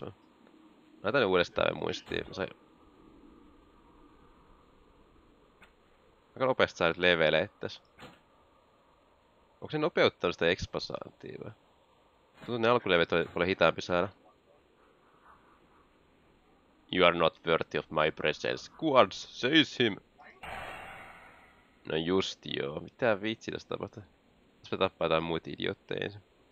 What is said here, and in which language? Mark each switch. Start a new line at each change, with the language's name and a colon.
Finnish: Mä laitan uudestaan ja muistiin. Mä sain... Aika nopeasti saa nyt levelee tässä. Onko se nopeuttanut sitä expansaantia vai? Tuntuu, että ne alkulevet oli paljon hitaampi saada.
English: You are not worthy of my presence. Guards, seize him! No just joo.
Finnish: Mitä vitsi tässä tapahtuu? Tässä pitää tappaa jotain muita idiotteja ensin.